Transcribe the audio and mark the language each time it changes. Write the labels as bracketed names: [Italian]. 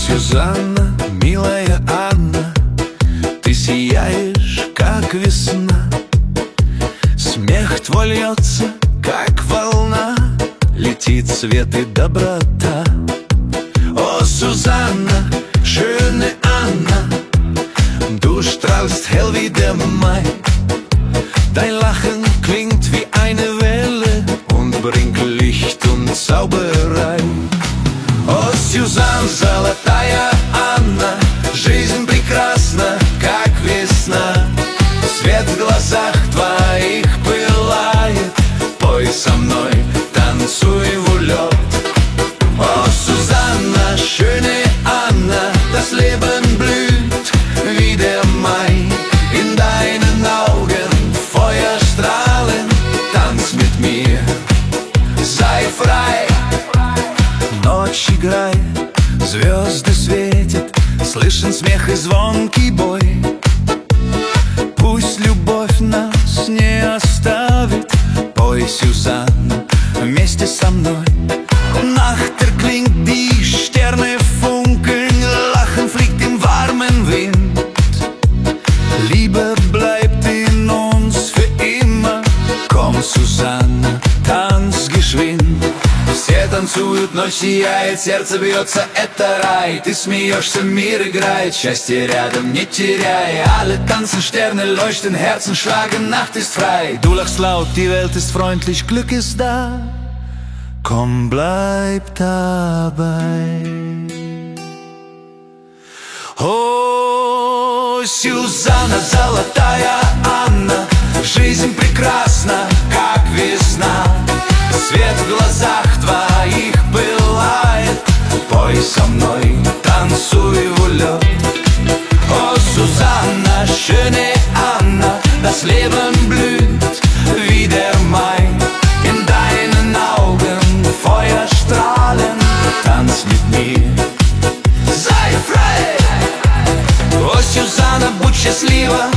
[Russian] Жанна, милая Анна, ты сияешь, как весна. Смех твой льется, как волна, летит свет и доброта. [German] О, Сюзанна, schöne Anna, du strahlst hell wie der Mai. Dein Lachen klingt wie eine Welle und bringt Licht und Zauberei. [Russian] О, Сюзан, золотая Анна, жизнь прекрасна, как весна. Свет в глазах твоих пылает, пой со мной, танцуй в улет. [German] О, Сюзанна, schöne Анна, das Leben blüht wie der Mai. In deinen Augen Feuerstrahlen, tanz mit mir, sei frei. [Russian] Играет, звезды светят, слышен смех и звонкий бой. Пусть любовь нас не оставит, пой, Сюзанна, вместе со мной. [German] Nachter klingt die Sterne funkeln, lachen fliegt im warmen Wind. Liebe bleibt in uns für immer, komm, Сюзанна, tanz geschwind. [Russian] Все танцуют, ночь сияет, сердце бьется, это рай. Ты смеешься, мир играет, счастье рядом, не теряй. [German] Alle tanzen, Sterne leuchten, Herzen schlagen, Nacht ist frei. Du lachst laut, die Welt ist freundlich, Glück ist da. Komm, bleib dabei. [Russian] Oh, Сюзанна, золотая Анна, жизнь прекрасна, как весна. Свет в глазах твоих пылает, пой со мной, танцуй в улет. [German] О, Сюзанна, schöne Anna, das Leben blüht wie der Mai. In deinen Augen Feuerstrahlen, tanz mit mir, sei frei. [Russian] О, Сюзанна, будь счастлива,